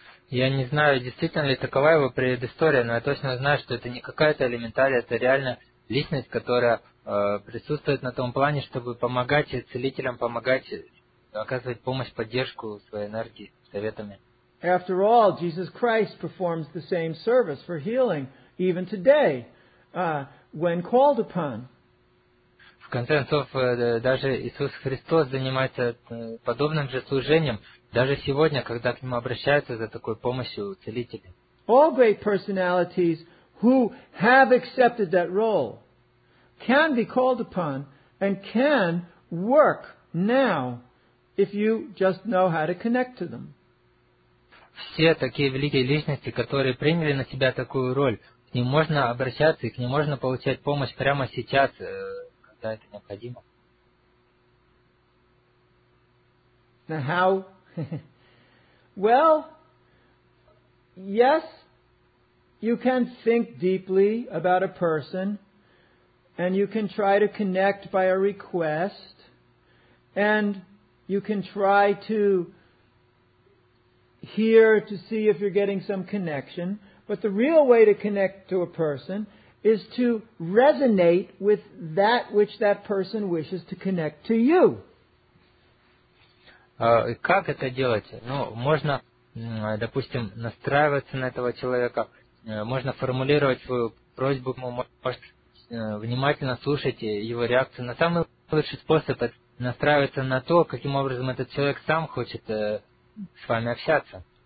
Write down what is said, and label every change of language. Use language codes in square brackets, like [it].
[ru] Я не знаю, действительно ли такова его предыстория, но я точно знаю, что это не какая-то элементария, это реально личность, которая присутствует на том плане, чтобы помогать целителям, помогать, оказывать помощь, поддержку своей энергии, советами. [en] After all, Jesus Christ performs the same service for healing, even today, when called upon. [ru] В конце концов, даже Иисус Христос занимается подобным же служением, даже сегодня, когда к нему обращаются за такой помощью целители. [en] All great personalities who have accepted that role can be called upon and can work now if you just know how to connect to them. [ru] Все такие великие личности, которые приняли на себя такую роль, к ним можно обращаться и к ним можно получать помощь прямо сейчас, когда это необходимо. [en] Now how? Well, yes, you can think deeply about a person, and you can try to connect by a request, and you can try to hear to see if you're getting some connection. But the real way to connect to a person is to resonate with that which that person wishes to connect to you. [ru] Как это делать? Ну, можно, допустим, настраиваться на этого человека, можно формулировать свою просьбу, можно внимательно слушать его реакцию. Но самый лучший способ – настраиваться на то, каким образом этот человек сам хочет с вами общаться.